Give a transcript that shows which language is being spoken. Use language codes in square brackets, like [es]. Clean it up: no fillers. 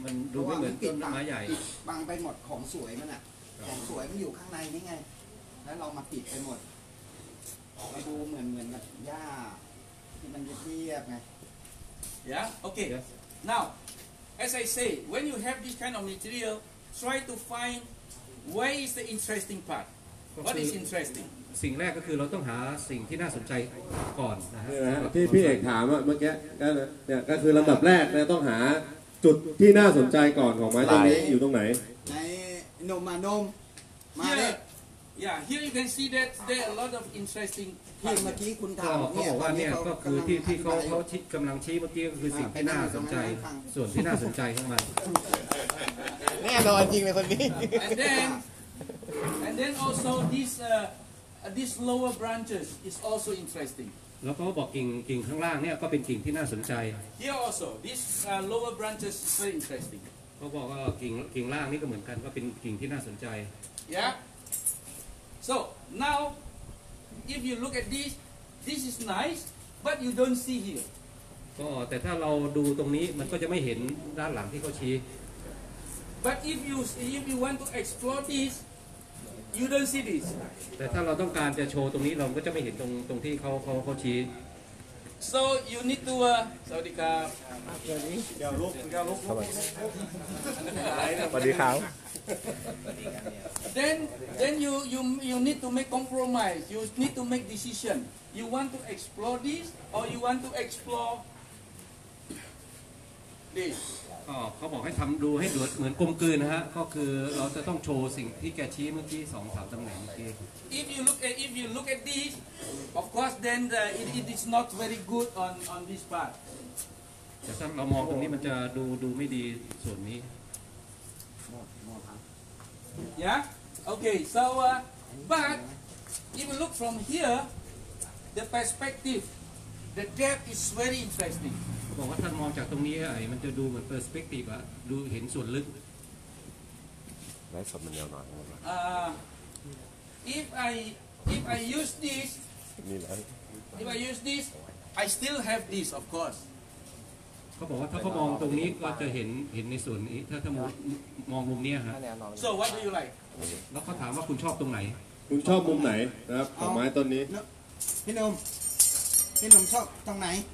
[en] It's like a tower. It's like a tower. It's like a tower. It's like a tower. Yeah. Okay. Yes. Now, as I say, when you have this kind of material, try to find where is the interesting part. What is interesting? [th] สิ่งแรกก็คือเราต้องหาสิ่งที่น่าสนใจก่อนนะฮะ ที่พี่เอกถามเมื่อกี้ก็เนี่ยก็คือลำดับแรกเราต้องหาจุดที่น่าสนใจก่อนของไม้ต้นนี้อยู่ตรงไหน ในนมมาเนี่ย [en] Yeah, here you can see that there are a lot of interesting. Here, [th] เมื่อกี้คุณถาม เนี่ยเขาบอกว่าเนี่ยก็คือที่เขาชี้กำลังชี้เมื่อกี้ก็คือสิ่งที่น่าสนใจส่วนที่น่าสนใจข้างใน แน่นอนจริงเลยคนนี้ [en] and then also this lower branches is also interesting. [th] แล้วเขาบอกกิ่งข้างล่างเนี่ยก็เป็นกิ่งที่น่าสนใจ [en] Here also this lower branches is very interesting. [th] เขาบอกว่ากิ่งล่างนี่ก็เหมือนกันก็เป็นกิ่งที่น่าสนใจ [en] Yeah. So now, if you look at this, this is nice, but you don't see here. [th] ก็แต่ถ้าเราดูตรงนี้มันก็จะไม่เห็นด้านหลังที่เขาชี้ [en] But if you want to explore this, you don't see this. [th] แต่ถ้าเราต้องการจะโชว์ตรงนี้เราก็จะไม่เห็นตรงที่เขาชี้ [en] So you need to [th] สวัสดีครับ สวัสดี เดี๋ยวลุกเดี๋ยวลุก สวัสดีสวัสดีครับ [en] Then you need to make compromise. You need to make decision. You want to explore this or you want to explore this. [th] เขาบอกให้ทำดูให้ดูเหมือนกลมกลืนนะฮะก็คือเราจะต้องโชว์สิ่งที่แกชี้เมื่อกี้สองสามตำแหน่งเมื่อกี้ [en] If you look at this, of course then it is not very good on this part. [th] แต่ถ้าเรามองตรงนี้มันจะดูไม่ดีส่วนนี้ [en] Yeah. Okay, so but if you look from here, the perspective, the depth is very interesting. [th] บอกว่าท่านมองจากตรงนี้ไอ้มันจะดูเหมือนเปอร์สเปกทีฟอะดูเห็นส่วนลึก ไลฟ์สดมันยาวหน่อย [en] If I use this, if I use this, I still have this, of course. [th] เขาบอกว่าถ้าเขามองตรงนี้ก็จะเห็นในส่วนนี้ถ้ามองมุมนี้ฮะ [en] So what do you like? [th] แล้วเขาถามว่าคุณชอบตรงไหน คุณชอบมุมไหนนะครับของไม้ต้นนี้พี่นมชอบตรงไหน